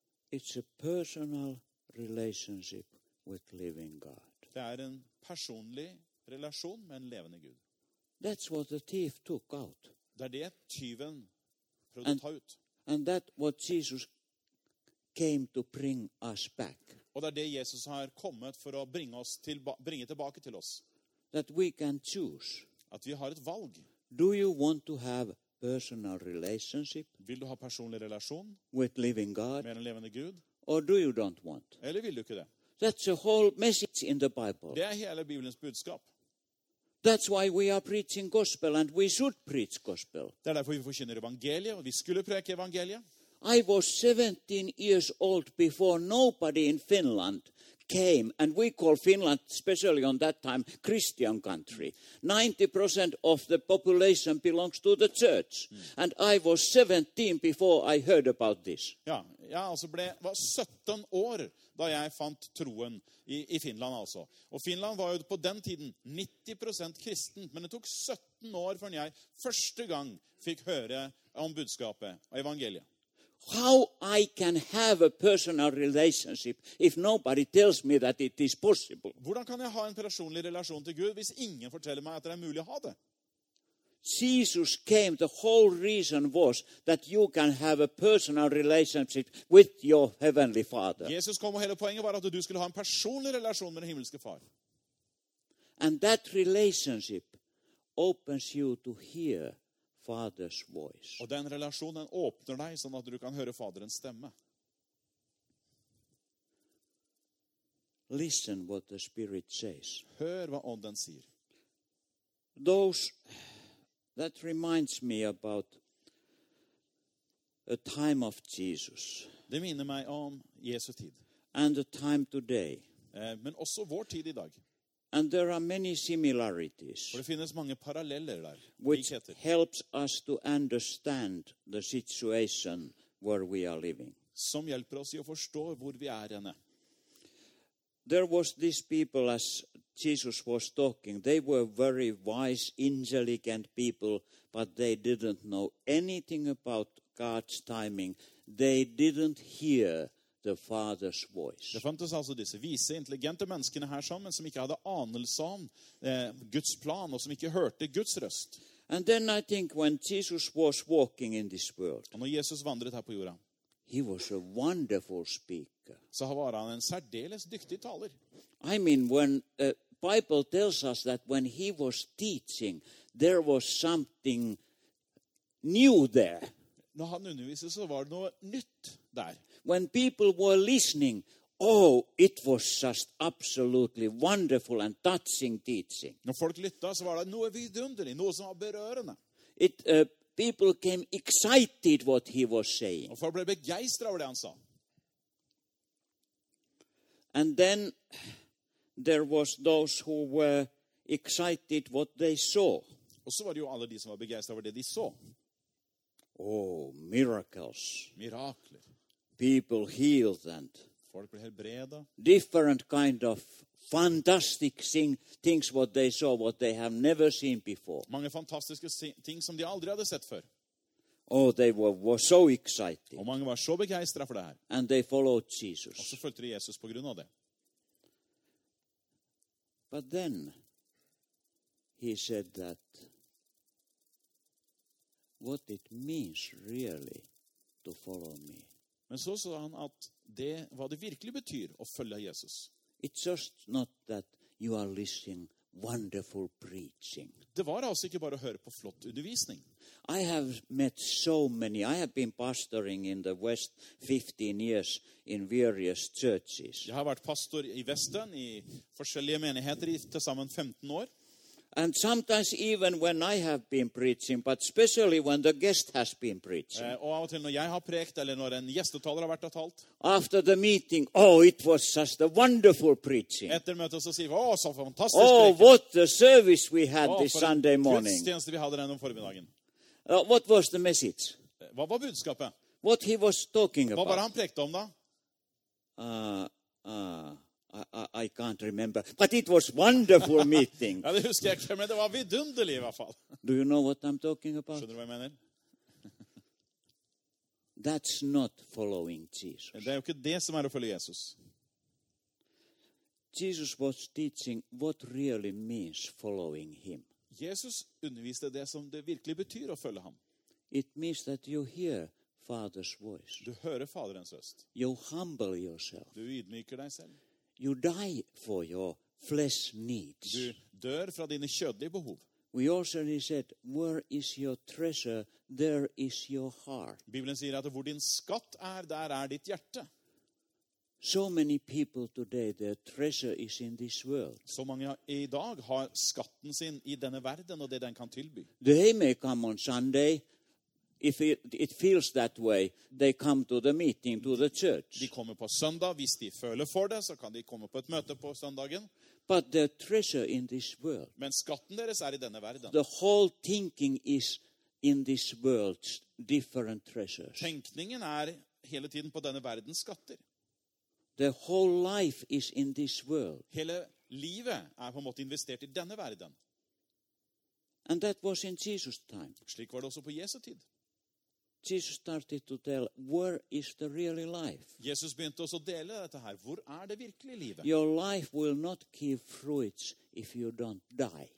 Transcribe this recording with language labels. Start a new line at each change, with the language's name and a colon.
English: It's a personal relationship with living God.
Swedish: Det är en personlig relation med en levande Gud.
English: That's what the thief took out.
Swedish: Det är det tjuven försökte ta ut.
English: And that what Jesus came to bring us back.
Swedish: Och det är det Jesus har kommit för att bringa oss till bringa tillbaka till oss.
English: That we can choose.
Swedish: Att vi har ett valg.
English: Do you want to have personal relationship
Swedish: vill du ha personlig relation
English: with living god
Swedish: med en levande gud
English: or do you don't want
Swedish: eller vill du inte det
English: that's a whole message in the bible
Swedish: det är hela bibelns budskap
English: that's why we are preaching gospel and we should preach gospel
Swedish: det är därför vi förkynner evangeliet och vi skulle predika evangeliet
English: I was 17 years old before nobody in finland came, and we call Finland, especially on that time, Christian country. 90% of the population belongs to the church. Mm. And I was 17 before I heard about this.
Norwegian: Ja, ja, altså ble, var 17 år da jeg fant troen I Finland altså. Og Finland var jo på den tiden 90% kristen, men det tok 17 år før jeg første gang fikk høre om budskapet og evangeliet.
English: How I can have a personal relationship if nobody tells me that it is possible?
Norwegian: Hvordan kan jeg ha en personlig relasjon til Gud hvis ingen forteller meg at det mulig å ha det?
English: Jesus came, the whole reason was that you can have a personal relationship with your heavenly father.
Norwegian: Jesus kom og hele poenget var at du skulle ha en personlig relasjon med den himmelske far.
English: And that relationship opens you to hear Father's voice.
Swedish: Och den relationen öppnar dig så att du kan höra faderns stämma.
English: Listen what the Spirit says.
Swedish: Hör vad anden säger.
English: Those that reminds me about a time of Jesus.
Swedish: Det minner mig om Jesu tid.
English: And the time today.
Swedish: Men också vår tid idag.
English: And there are many similarities.
Swedish: Det finns många paralleller där.
English: Which helps us to understand the situation where we are living.
Swedish: Som hjälper oss att förstå var vi är inne.
English: There was these people as Jesus was talking. They were very wise, intelligent people, but they didn't know anything about God's timing. They didn't hear the father's voice.
Norwegian: Det fantes altså disse vise, intelligente menneskene her sammen som ikke hadde anelse om Guds plan og som ikke hørte Guds røst.
English: And then I think when Jesus was walking in this world.
Norwegian: Og når Jesus vandret her på jorda.
English: He was a wonderful speaker.
Norwegian: Så var han en særdeles dyktig taler.
English: I mean when the Bible tells us that when he was teaching there was something new there.
Norwegian: Når han underviste så var det noe nytt der.
English: When people were listening, oh, it was just absolutely wonderful and touching teaching.
Swedish: När folk lyssnade så var det något vidunderligt, något som var berörande.
English: People came excited what he was saying.
Swedish: Och folk blev begeistrade över det han sa.
English: And then there was those who were excited what they saw.
Swedish: Och så var det ju alla de som var begeistrade över det de såg.
English: Oh, miracles.
Swedish: Mirakler.
English: People healed and
Swedish: folk blev helbreda.
English: Different kind of fantastic things what they saw what they have never seen before.
Swedish: Många fantastiska ting som de aldrig hade sett för.
English: Oh, they were so excited.
Swedish: Och många var så begeistrade för det här.
English: And they followed Jesus.
Swedish: Och så följde Jesus på grund av det.
English: But then he said that what it means really to follow me.
Swedish: Men så sa han att det vad det verkligen betyder att följa Jesus.
English: It's just not that you are listening wonderful preaching.
Swedish: Det var alltså inte bara att höra på flott undervisning.
English: I have met so many. I have been pastoring in the West 15 years in various churches.
Swedish: Jag har varit pastor I västern I olika menigheter I tillsammans 15 år.
English: And sometimes even when I have been preaching, but especially when the guest has been preaching.
Swedish: Och av och till när jag har prekt eller när en gästetalare har varit och talat.
English: After the meeting, oh, it was such a wonderful preaching.
Swedish: Efter mötet så säger vi, åh, så fantastiskt.
English: Oh, what a service we had this Sunday morning.
Swedish: Gudstjänst vi hade den om förmiddagen.
English: What was the message?
Swedish: Vad var budskapet?
English: What he was talking about.
Swedish: Vad var han prekt om då?
English: I can't remember, but it was wonderful meeting.
Norwegian: Ja, det husker jeg ikke, men det var vidunderlig I hvert fall.
English: Do you know what I'm talking about?
Norwegian: Skjønner du hva jeg mener?
English: That's not following Jesus.
Norwegian: Det jo ikke det som å følge Jesus.
English: Jesus was teaching what really means following him.
Norwegian: Jesus underviste det som det virkelig betyr å følge ham.
English: It means that you hear Father's voice.
Norwegian: Du hører Faderens røst.
English: You humble yourself.
Norwegian: Du ydmyker deg selv.
English: You die for your flesh needs.
Swedish: Du dör för dina kötsliga behov.
English: We also said, where is your treasure, there is your heart.
Swedish: Bibeln säger att var din skatt är, där är ditt hjärta.
English: So many people today, their treasure is in this world.
Swedish: Så många idag har skatten sin I denna världen och det den kan tillby.
English: They may come on Sunday. If it feels that way, they come to the meeting, to the church.
Norwegian: De kommer på søndag. Hvis de føler for det, så kan de komme på et møte på søndagen.
English: But the treasure in this world.
Norwegian: Men skatten deres I denne verden.
English: The whole thinking is in this world's different treasures.
Norwegian: Tenkningen hele tiden på denne verdens skatter.
English: The whole life is in this world.
Norwegian: Hele livet på en måte investert I denne verden.
English: And that was in Jesus' time.
Norwegian: Slik var det også på Jesu tid.
English: Jesus started to tell, where is the really life?
Norwegian: Jesus begynte også å dele dette her. Hvor det virkelige livet?
English: Your life will not give fruits if you don't die.